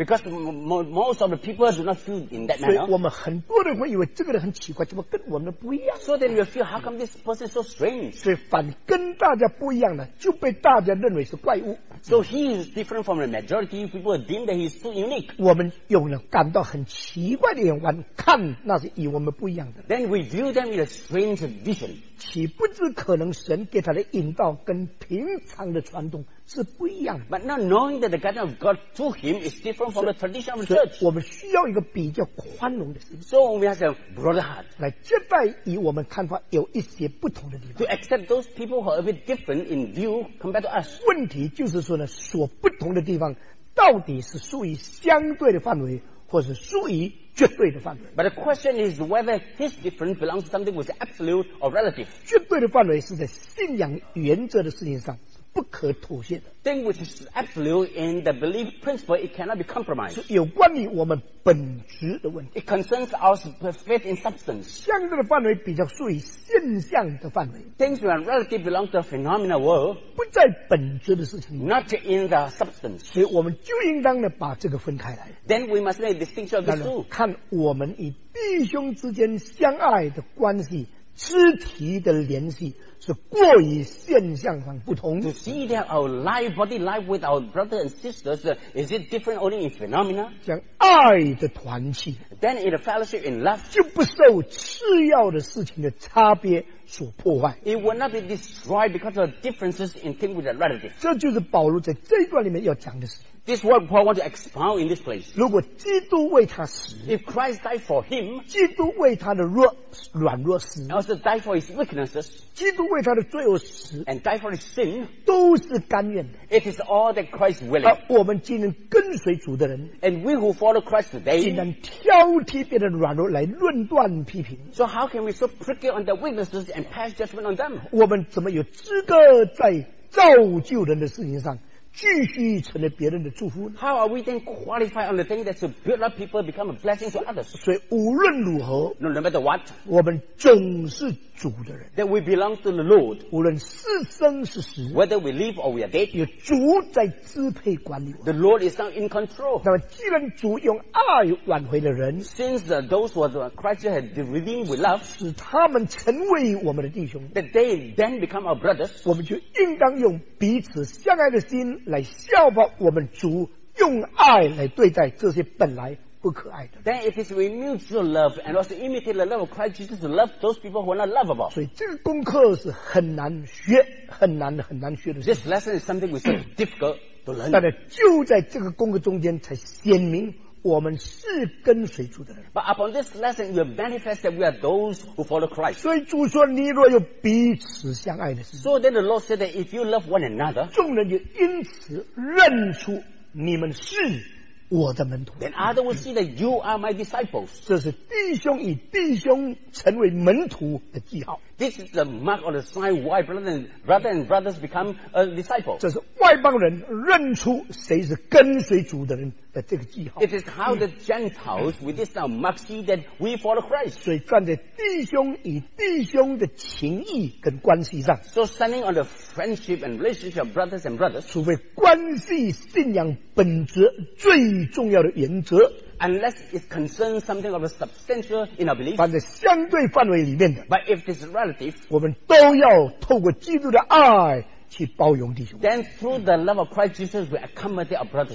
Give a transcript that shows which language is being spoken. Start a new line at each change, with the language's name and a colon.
English: ，Because most of the people do not feel in that manner.
Chinese: 所以我们很多人会以为这个人很奇怪，怎么跟我们不一样
English: ？So then you feel how come this person is so strange?
Chinese: 所以反跟大家不一样呢，就被大家认为是怪物。
English: So he is different from the majority. People deem that he is too unique.
Chinese: 我们有了感到很奇怪的眼光看那些与我们不一样的。
English: Then we view them with a strange vision.
Chinese: 岂不知可能神给他的引导跟平常的传统是不一样的。
English: But not knowing that the guidance of God to him is different from the tradition of the church.
Chinese: 我们需要一个比较宽容的心。
English: So we have a broader heart.
Chinese: 来接待与我们看法有一些不同的地方。
English: To accept those people who are a bit different in view compared to us.
Chinese: 问题就是说呢，所不同的地方到底是属于相对的范围，或是属于绝对的范围。
English: But the question is whether his difference belongs to something which is absolute or relative.
Chinese: 绝对的范围是在信仰原则的事情上不可妥协的。
English: Thing which is absolute in the belief principle, it cannot be compromised.
Chinese: 是有关于我们本质的问题。
English: It concerns our faith in substance.
Chinese: 相对的范围比较属于现象的范围。
English: Things which are relative belong to the phenomenal world.
Chinese: 不在本质的事情。
English: Not in the substance.
Chinese: 所以我们就应当的把这个分开来。
English: Then we must make a distinction of the two.
Chinese: 看我们与弟兄之间相爱的关系。肢体的联系是过于现象上不同。
English: To see that our life, body life with our brothers and sisters, is it different only in phenomena?
Chinese: 像爱的团契。
English: Then in a fellowship in love,
Chinese: 就不受次要的事情的差别所破坏。
English: It will not be destroyed because of differences in things with the relative.
Chinese: 这就是保罗在这一段里面要讲的事情。
English: This word Paul wants to expound in this place.
Chinese: 如果基督为他死，
English: if Christ died for him,
Chinese: 基督为他的弱软弱死，
English: also died for his weaknesses,
Chinese: 基督为他的罪恶死，
English: and died for his sin,
Chinese: 都是甘愿的。
English: It is all that Christ willing.
Chinese: 而我们今天跟随主的人，
English: and we who follow Christ today,
Chinese: 竟然挑剔别人软弱来论断批评。
English: So how can we so prickly on their weaknesses and pass judgment on them?
Chinese: 我们怎么有资格在造就人的事情上？继续成了别人的祝福。
English: How are we then qualified on the thing that to build up people become a blessing to others?
Chinese: 所以无论如何
English: no, no matter what,
Chinese: 我们总是主的人。
English: That we belong to the Lord.
Chinese: 无论是生是死
English: whether we live or we are dead,
Chinese: 有主在支配管理我们。
English: The Lord is now in control.
Chinese: 那么既然主用爱挽回了人
English: since those who are Christ had redeemed with love,
Chinese: 使他们成为我们的弟兄
English: that they then become our brothers,
Chinese: 我们就应当用彼此相爱的心来效法我们主用爱来对待这些本来不可爱的。
English: Then it is with mutual love and also imitate the love of Christ Jesus to love those people who are not lovable.
Chinese: 所以这个功课是很难学，很难很难学的事情。
English: This lesson is something which is difficult to learn.
Chinese: 但是就在这个功课中间才鲜明我们是跟随主的人。
English: But upon this lesson, we have manifested that we are those who follow Christ.
Chinese: 所以主说，你若有彼此相爱的心。
English: So then the Lord said that if you love one another,
Chinese: 众人就因此认出你们是我的门徒。
English: Then others will see that you are my disciples.
Chinese: 这是弟兄与弟兄成为门徒的记号。
English: This is the mark or the sign why brother and brothers become a disciple.
Chinese: 这是外邦人认出谁是跟随主的人。这个记号
English: It is how the Gentiles with this now mark see that we follow Christ.
Chinese: 所以站在弟兄与弟兄的情谊跟关系上
English: So standing on the friendship and relationship of brothers and brothers
Chinese: 除非关系信仰本质最重要的原则
English: Unless it concerns something of a substantial in our belief
Chinese: 放在相对范围里面的
English: But if it's relative
Chinese: 我们都要透过基督的爱去包容弟兄。
English: Then through the love of Christ Jesus, we accommodate our brothers.